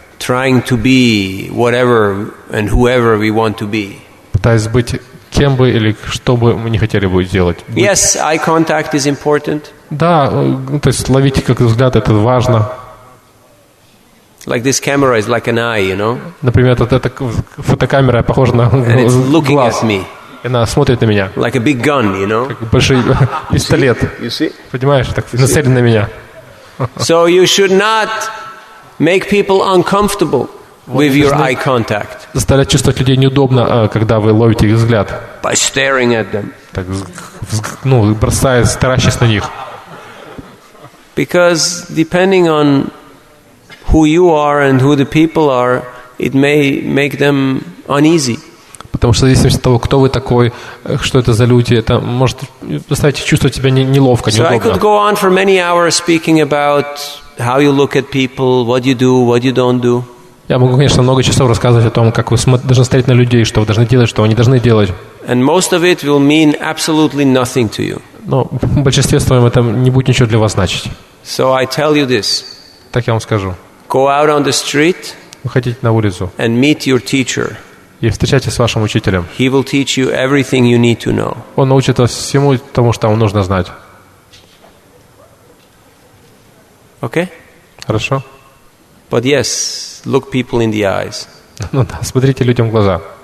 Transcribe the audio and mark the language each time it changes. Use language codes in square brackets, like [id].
[en] Trying to be whatever and whoever we want to be. [ru] Пытаясь быть кем бы или что бы мы не хотели бы сделать. Быть. [en] Yes, eye contact is important. [ru] Да, то есть ловить как взгляд, это важно. [en] Like this camera is like an eye, you know? [ru] Например, эта фотокамера похожа на глаз. [en] And it's looking at me. [ru] Она смотрит на меня. [en] Like a big gun, you know? [ru] Как большой пистолет. [en] You see? [ru] Понимаешь, так нацелен на меня. [en] So you should not make people uncomfortable with your eye contact. [ru] Заставлять чувствовать людей неудобно, когда вы ловите их взгляд. [en] By staring at them. [ru] Так, ну, бросая, старащись на них. [en] Because depending on who you are and who the people are, it may make them uneasy. [ru] Потому что зависит от того, кто вы такой, что это за люди, это может заставить чувствовать себя неловко, неудобно. [en] So I could go on for many hours speaking about how you look at people, what you do, what you don't do. [ru] Я могу, конечно, много часов рассказывать о том, как вы должны смотреть на людей, что вы должны делать, что они должны делать. [en] And most of it will mean absolutely nothing to you. [ru] Но в большинстве своем это не будет ничего для вас значить. [en] So I tell you this. [ru] Так я вам скажу. [en] Go out on the street [ru] выходите на улицу [en] and meet your teacher. [ru] и встречайтесь с вашим учителем. [en] He will teach you everything you need to know. [ru] Он научит вас всему тому, что вам нужно знать. [en] Okay? [ru] Хорошо. [en] But yes, look people in the eyes. [ru] Ну да, смотрите людям в глаза.